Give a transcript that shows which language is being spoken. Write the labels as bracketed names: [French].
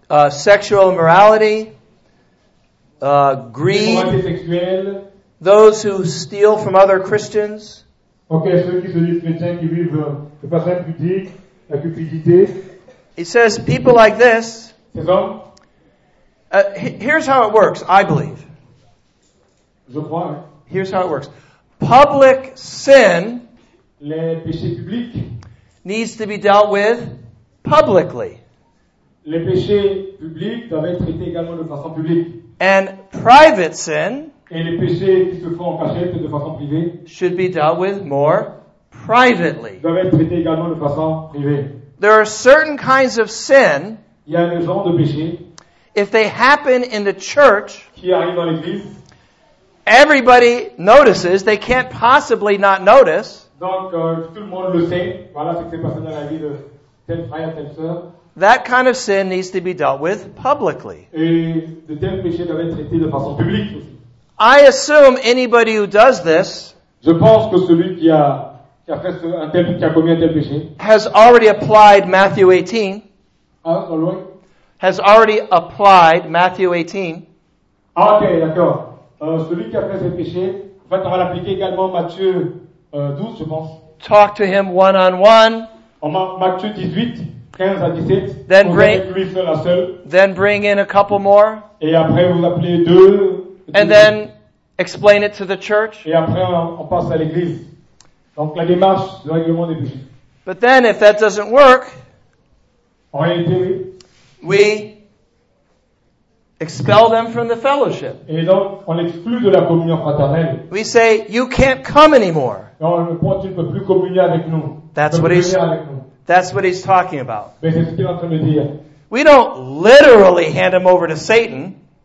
[English] Sexual immorality, greed, those who steal from other Christians. [French] Okay, ceux qui se disent chrétiens qui vivent de façon pudique, la cupidité. [English] It says people like this. [French] Ces hommes. [English] Here's how it works, I believe. [French] Je crois. [English] Here's how it works. Public sin. [French] Les péchés publics. [English] Needs to be dealt with publicly. [French] Les péchés publics doivent être traités également de façon publique. [English] And private sin. [French] Et les péchés qui se font en cachette de façon privée. [English] Should be dealt with more privately. [French] Doivent être traités également de façon privée. [English] There are certain kinds of sin. [French] Il y a des genres de péchés. [English] If they happen in the church. [French] Qui arrivent dans l'église. [English] Everybody notices. They can't possibly not notice. [French] Donc, tout le monde le sait. Voilà ce qui s'est passé dans la vie de tel frère, telle sœur. [English] That kind of sin needs to be dealt with publicly. [French] Et de tels péchés doivent être traités de façon publique aussi. [English] I assume anybody who does this. [French] Je pense que celui qui a commis un tel péché. [English] Has already applied Matthew 18. [French] Ah, oui. [English] Has already applied Matthew 18. [French] Ah, ok, d'accord. Celui qui a fait ce péché, en fait, on va l'appliquer également à Matthieu. 12, je pense. [English] Talk to him one-on-one. [French] Matthieu 18, 15 à 17. [English] Then, then bring in a couple more. [French] Et après, vous appelez deux. [English] And then explain it to the church. [French] Et après, on passe à l'église. Donc, la démarche, le règlement des péchés. [English] But then, if that doesn't work, [French] en réalité, oui. [English] We expel them from the fellowship. [French] Et donc, on exclut de la communion fraternelle. [English] We say, you can't come anymore. [French] Non, tu ne peux plus communier avec nous. [English] That's what he's talking about. [French] Mais c'est ce qu'il est en train de dire. [English] We don't literally hand him over to Satan.